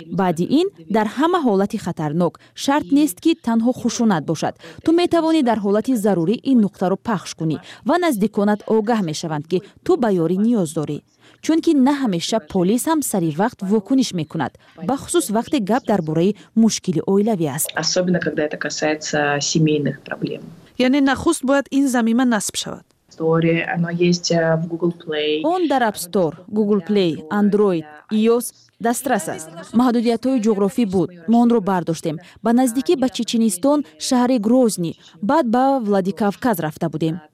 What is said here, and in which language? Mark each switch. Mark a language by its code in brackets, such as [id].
[fa] بعد این در همه حالت خطرناک، شرط نیست که تنها خشونت باشد. تو میتوانی در حالت ضروری این نقطه رو پخش کنی و نزدیکانت آگاه میشوند که تو به یاری نیاز داری. چون که نه همیشه پلیس هم سری وقت واکنش میکند، به خصوص وقتی گپ درباره مشکل اویلوی است. [ru] особенно когда это касается семейных проблем. [fa] یعنی نخست باید این زمینه نصب شود. اون در اپ استور، گوگل پلی، اندروید، iOS دسترس است. محدودیت های جغرافی بود. ما اون رو برداشتیم. به نزدیکی به چچنستان، شهر گروزنی، بعد به ولادیکافکاز رفته بودیم.